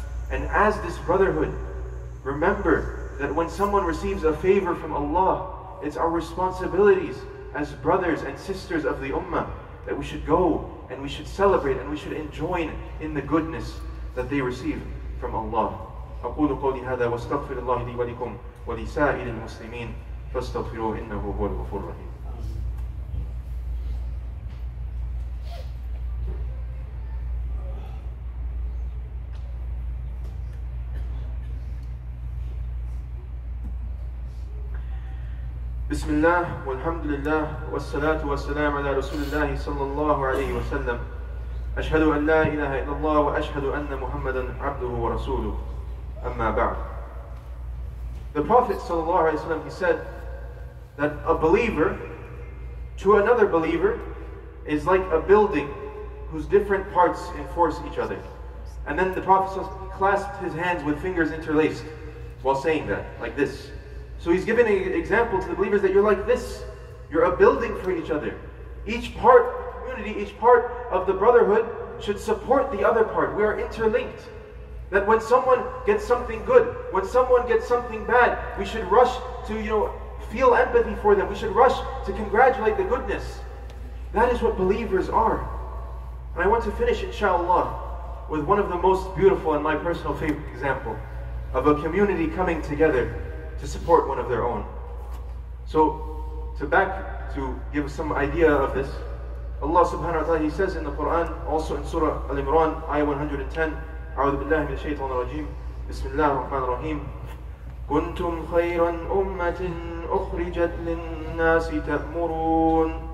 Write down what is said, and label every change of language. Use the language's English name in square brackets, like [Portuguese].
[English] And as this brotherhood, remember that when someone receives a favor from Allah, it's our responsibilities as brothers and sisters of the Ummah that we should go and we should celebrate and we should enjoy in the goodness that they receive from Allah. [Arabic] أقول قولي هذا واستغفر الله لي ولكم ولسائر المسلمين فاستغفروه إنه هو الغفور الرحيم. بسم الله والحمد لله والصلاة والسلام على رسول الله صلى الله عليه وسلم. أشهد أن لا إله إلا الله وأشهد أن محمدا عبده ورسوله. أما بعد. [English] The Prophet sallallahu alaihi wasallam, he said that a believer to another believer is like a building whose different parts enforce each other. And then the Prophet clasped his hands with fingers interlaced while saying that, like this. So he's giving an example to the believers that you're like this. You're a building for each other. Each part of the community, each part of the brotherhood should support the other part. We are interlinked. That when someone gets something good, when someone gets something bad, we should rush to, you know, feel empathy for them. We should rush to congratulate the goodness. That is what believers are. And I want to finish, inshallah, with one of the most beautiful and my personal favorite example of a community coming together to support one of their own. So, to give some idea of this, Allah subhanahu wa ta'ala, He says in the Quran, also in Surah Al-Imran, Ayah 110, [Arabic] أعوذ بالله من الشيطان الرجيم بسم الله الرحمن الرحيم كنتم خيرا أمة أخرجت للناس تأمرون